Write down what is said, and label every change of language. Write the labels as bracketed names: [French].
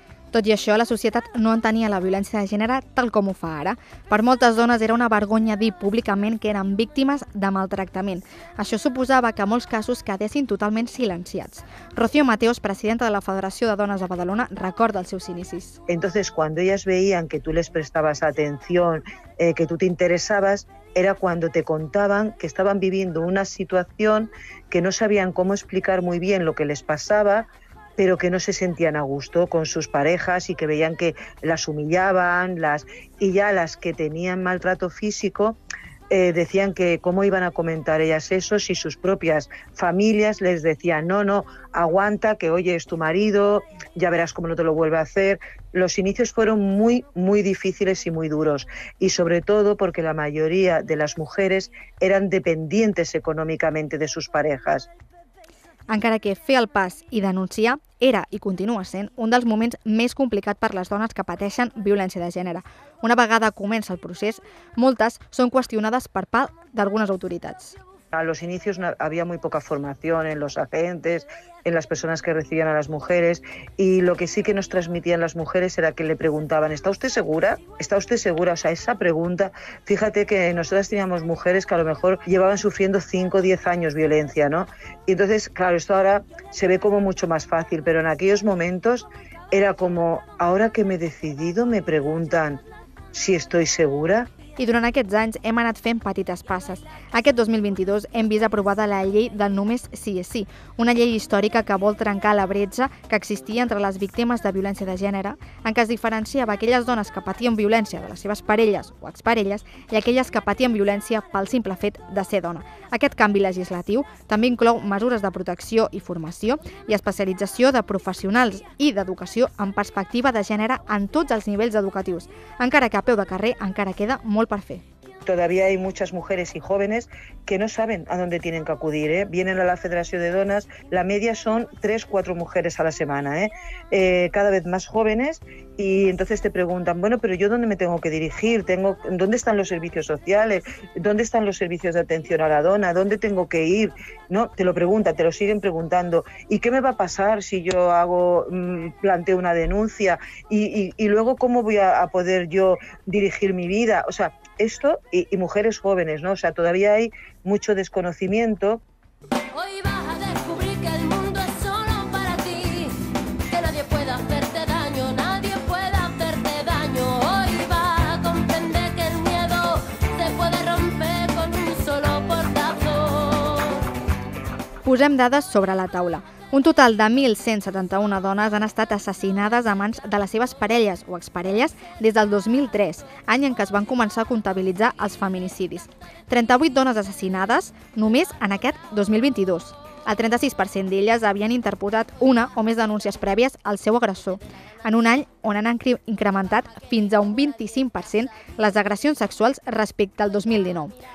[Catalan] Tot i això, la societat no entenia la violència de gènere tal com ho fa ara. Per moltes dones era una vergonya dir públicament que eren víctimes de maltractament. Això suposava que molts casos quedessin totalment silenciats. Rocío Mateos, presidenta de la Federació de Dones de Badalona, recorda els seus inicis. [Spanish] Entonces, cuando ellas veían que tú les prestabas atención, que tú te interesabas, era cuando te contaban que estaban viviendo una situación que no sabían cómo explicar muy bien lo que les pasaba, pero que no se sentían a gusto con sus parejas y que veían que las humillaban, y ya las que tenían maltrato físico decían que cómo iban a comentar ellas eso si sus propias familias les decían no, aguanta, que oye, es tu marido, ya verás cómo no te lo vuelve a hacer. Los inicios fueron muy, muy difíciles y muy duros, y sobre todo porque la mayoría de las mujeres eran dependientes económicamente de sus parejas. [Catalan] Encara que fer el pas i denunciar era i continua sent un dels moments més complicats per les dones que pateixen violència de gènere. Una vegada comença el procés, moltes són qüestionades per part d'algunes autoritats. [Spanish] A los inicios había muy poca formación en los agentes, en las personas que recibían a las mujeres, y lo que sí que nos transmitían las mujeres era que le preguntaban, ¿está usted segura? ¿Está usted segura? O sea, esa pregunta, fíjate que nosotras teníamos mujeres que a lo mejor llevaban sufriendo 5 o 10 años violencia, ¿no? Y entonces, claro, esto ahora se ve como mucho más fácil, pero en aquellos momentos era como, ahora que me he decidido me preguntan si estoy segura. [Catalan] I durant aquests anys hem anat fent petites passes. Aquest 2022 hem vist aprovada la llei del Només Sí és Sí, una llei històrica que vol trencar la bretxa que existia entre les víctimes de violència de gènere, en què es diferenciava aquelles dones que patien violència de les seves parelles o exparelles i aquelles que patien violència pel simple fet de ser dona. Aquest canvi legislatiu també inclou mesures de protecció i formació i especialització de professionals i d'educació en perspectiva de gènere en tots els nivells educatius, encara que a peu de carrer encara queda molt per fer. [Spanish] Todavía hay muchas mujeres y jóvenes que no saben a dónde tienen que acudir, ¿eh? Vienen a la Federación de Donas, la media son 3-4 mujeres a la semana, ¿eh? Cada vez más jóvenes, y entonces te preguntan, bueno, pero yo dónde me tengo que dirigir, ¿dónde están los servicios sociales? ¿Dónde están los servicios de atención a la dona? ¿Dónde tengo que ir? No, te lo preguntan, te lo siguen preguntando, ¿y qué me va a pasar si yo planteo una denuncia? ¿Y luego cómo voy a poder yo dirigir mi vida? O sea, esto y mujeres jóvenes, ¿no? O sea, todavía hay mucho desconocimiento. Hoy vas a descubrir que el mundo es solo para ti, que nadie pueda hacerte daño, nadie pueda hacerte daño. Hoy vas a comprender que el miedo se puede romper con un solo portazo. [Catalan] Posem dades sobre la taula. Un total de 1.171 dones han estat assassinades a mans de les seves parelles o exparelles des del 2003, any en què es van començar a comptabilitzar els feminicidis. 38 dones assassinades només en aquest 2022. El 36% d'elles havien interposat una o més denúncies prèvies al seu agressor, en un any on han incrementat fins a un 25% les agressions sexuals respecte al 2019.